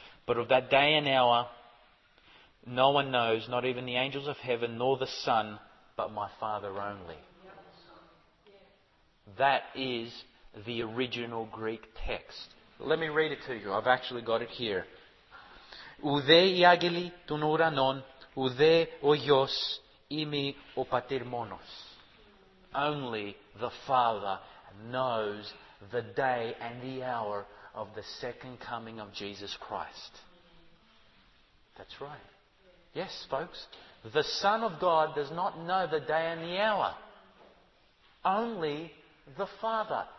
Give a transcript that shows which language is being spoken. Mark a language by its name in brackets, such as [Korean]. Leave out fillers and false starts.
[English] But of that day and hour, no one knows, not even the angels of heaven, nor the Son, but my Father only. That is the original Greek text. Let me read it to you. I've actually got it here. [Greek] Ουδέ οι άγγελοι των ουρανών, ουδέ ο γιος, ημί ο πατήρ μόνος. [English] Only the Father knows the day and the hour of the second coming of Jesus Christ. That's right. Yes, folks. The Son of God does not know the day and the hour. Only the Father.